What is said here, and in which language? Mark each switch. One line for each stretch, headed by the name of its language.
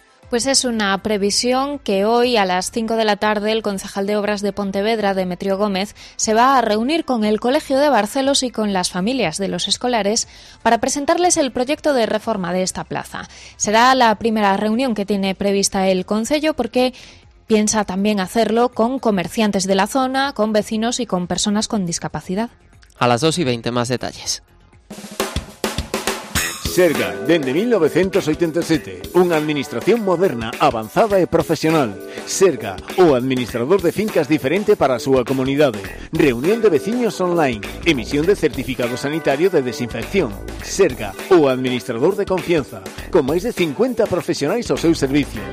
Spanish: Pues es una previsión que hoy a las 5 de la tarde el concejal de Obras de Pontevedra, Demetrio Gómez, se va a reunir con el Colegio de Barcelos y con las familias de los escolares para presentarles el proyecto de reforma de esta plaza. Será la primera reunión que tiene prevista el concello porque piensa también hacerlo con comerciantes de la zona, con vecinos y con personas con discapacidad. A las 2:20 más detalles.
Galician: Serga, dende 1987, unha administración moderna, avanzada e profesional. Serga, o administrador de fincas diferente para a súa comunidade. Reunión de veciños online, emisión de certificado sanitario de desinfección. Serga, o administrador de confianza, con máis de 50 profesionais ao seu servicio.